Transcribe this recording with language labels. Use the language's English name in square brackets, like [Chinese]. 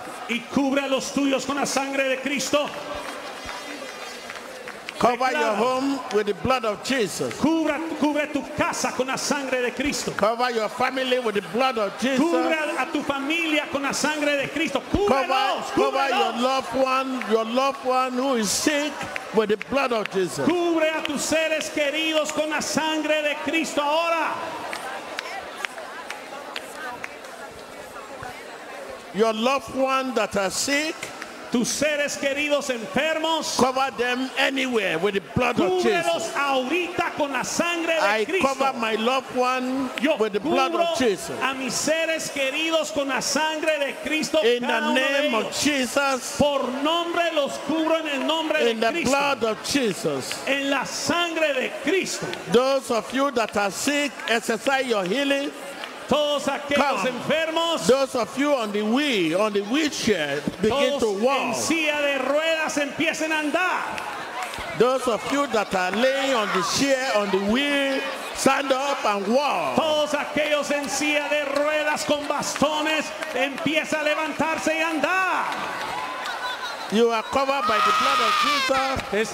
[Spanish] Y cubre a los tuyos con la sangre de Cristo. [English] Cover your home with the blood of Jesus. [Spanish] Cubre tu casa con la sangre de Cristo. [English] Cover your family with the blood of Jesus. [Spanish] Cubre a tu familia con la sangre de Cristo. [English] Cover your loved one who is sick with the blood of Jesus. [Spanish] Cubre a tus seres queridos con la sangre de Cristo ahora. [English] Your loved one that are sick, [Spanish] tus seres queridos enfermos, [English] cover them anywhere with the blood of Jesus. [Spanish] Cúbrelos ahorita con la sangre de Cristo. [English] I cover my loved one [Spanish] yo [English] with the blood of Jesus. [Spanish] A mis seres queridos con la sangre de Cristo. [English] In the name of Jesus. [Spanish] Por nombre los cubro en el nombre de Cristo. [English] In the blood of Jesus. [Spanish] En la sangre de Cristo. [English] Those of you that are sick, exercise your healing. [Spanish] Todos aquellos enfermos, [English] those of you on the wheelchair, begin [Spanish] todos [English] to walk. [Spanish] En silla de ruedas, empiecen a andar. [English] Those of you that are laying on the chair, on the wheel, stand up and walk. [Spanish] Todos aquellos en silla de ruedas con bastones, empieza a levantarse y andar. [English] You are covered by the blood of Jesus.